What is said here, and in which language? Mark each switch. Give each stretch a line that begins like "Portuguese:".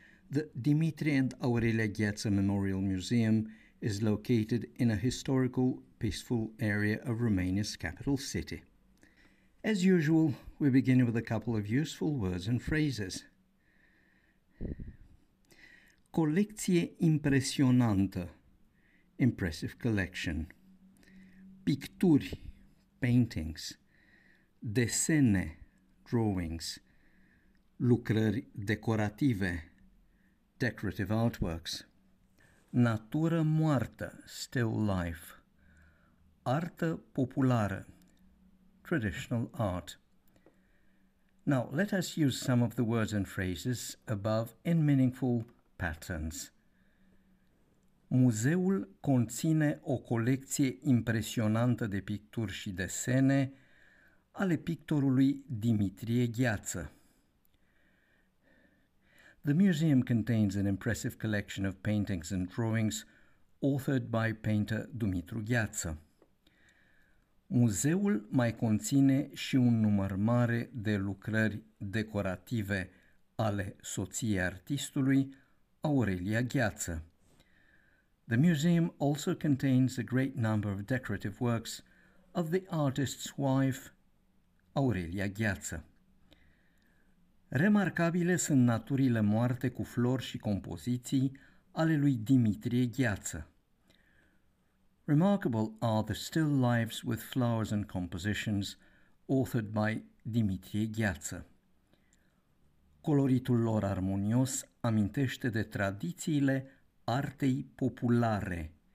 English: The Dimitri and Aurelia Gheață Memorial Museum is located in a historical, peaceful area of Romania's capital city. As usual, we begin with a couple of useful words and phrases.
Romanian: Colecție impresionantă,
English: impressive collection.
Romanian: Picturi,
English: paintings.
Romanian: Desene,
English: drawings.
Romanian: Lucrări decorative,
English: decorative artworks.
Romanian: Natură moartă,
English: still life.
Romanian: Artă populară,
English: traditional art. Now let us use some of the words and phrases above in meaningful patterns.
Romanian: Muzeul conține o colecție impresionantă de picturi și desene ale pictorului Dimitrie Gheață.
English: The museum contains an impressive collection of paintings and drawings authored by painter Dumitru Gheață.
Romanian: Muzeul mai conține și un număr mare de lucrări decorative ale soției artistului, Aurelia Gheață.
English: The museum also contains a great number of decorative works of the artist's wife, Aurelia Gheață.
Romanian: Remarcabile sunt naturile moarte cu flori și compoziții ale lui Dimitrie Gheață.
English: Remarkable are the still lives with flowers and compositions authored by Dimitrie Gheață.
Romanian: Coloritul lor armonios amintește de tradițiile artei populare.